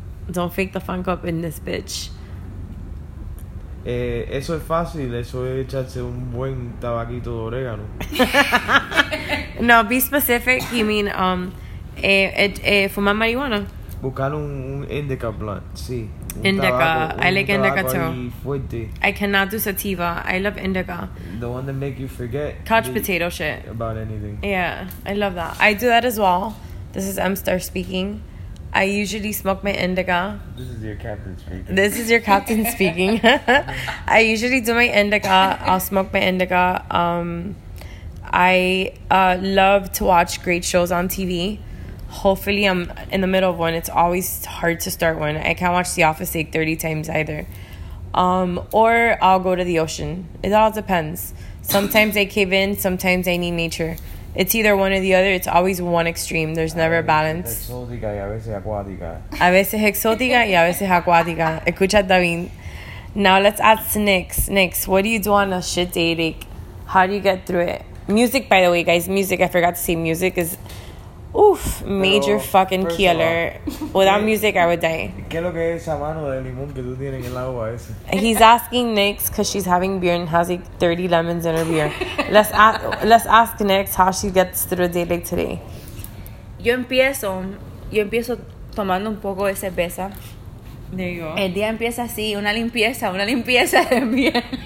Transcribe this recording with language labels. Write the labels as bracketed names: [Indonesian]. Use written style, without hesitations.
[English] Don't fake the funk up in this bitch. [Spanish] Eso es fácil, eso es echarse un buen tabaquito de orégano. [English] No, be specific, you mean [Spanish] fumar marihuana. Buscar un indica blunt, sí. [English] Indica, I like indica too. [Spanish] Fuerte. [English] I cannot do sativa, I love indica. The one that make you forget. Couch potato shit. About anything. Yeah, I love that. I do that as well. This is M-Star speaking. I usually smoke my indica. This is your captain speaking. I usually do my indica. I'll smoke my indica. I love to watch great shows on TV. Hopefully, I'm in the middle of one. It's always hard to start one. I can't watch The Office like 30 times either. Or I'll go to the ocean. It all depends. Sometimes I cave in. Sometimes I need nature. It's either one or the other. It's always one extreme. There's never a balance. [Spanish] Exótica y a veces acuática. A veces exótica y a veces acuática. Escucha, David. [English] Now let's ask Nyx. Nyx, what do you do on a shit day? Like, how do you get through it? Music, by the way, guys. Music. I forgot to say music is... Oof. Major pero, fucking killer. All, without music, I would die. [Spanish] ¿Qué es lo que es esa mano de limón que tú tienes en el agua ese? [English] He's asking Nyx because she's having beer and has like 30 lemons in her beer. Let's ask Nyx how she gets through a day like today. [Spanish] Yo empiezo tomando un poco de cerveza. [English] There you go. [Spanish] El día empieza así, una limpieza de bien.